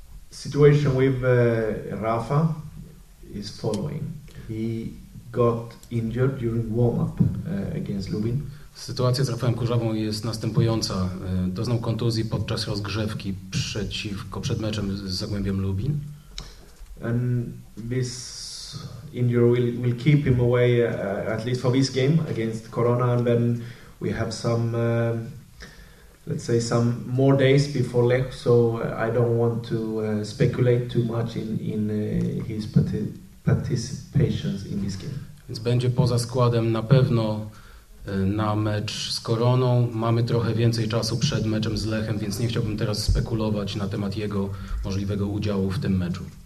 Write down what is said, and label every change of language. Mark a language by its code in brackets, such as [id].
[en] Situation with Rafa is following. He got injured during warm-up against Lubin. [pl] Sytuacja z Rafałem Kurzawą jest następująca. Doznał kontuzji podczas rozgrzewki przed meczem z Zagłębiem Lubin. [en] And this injury will keep him away at least for this game against Corona, and then we have some let's say some more days before Lech, so I don't want to speculate too much in his participation in this game. [pl] Więc będzie poza składem na pewno na mecz z Koroną. Mamy trochę więcej czasu przed meczem z Lechem, więc nie chciałbym teraz spekulować na temat jego możliwego udziału w tym meczu.